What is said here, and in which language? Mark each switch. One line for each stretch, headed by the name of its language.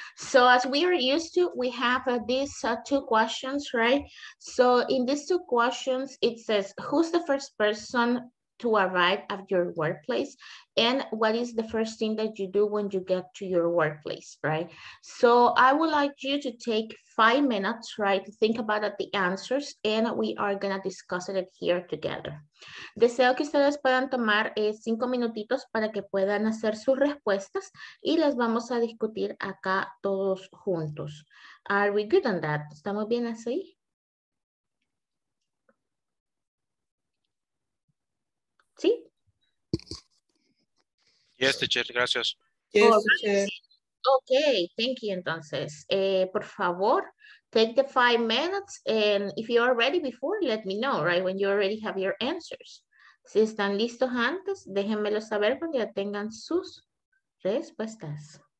English: So as we are used to, we have these two questions, right, so in these two questions, it says, who's the first person to arrive at your workplace, and what is the first thing that you do when you get to your workplace, right? So I would like you to take 5 minutes, right, to think about the answers, and we are gonna discuss it here together.
Spanish: Deseo que ustedes puedan tomar 5 minutitos para que puedan hacer sus respuestas y las vamos a discutir acá todos juntos.
English: Are we good on that?
Spanish: ¿Estamos bien así? ¿Sí?
English: Yes, teacher, gracias. Yes, teacher. Ok, thank you, entonces.
Spanish: Por favor,
English: take the 5 minutes, and if you are ready before, let me know, right, when you already have your answers.
Spanish: Si están listos antes, déjenmelo saber cuando ya tengan sus respuestas.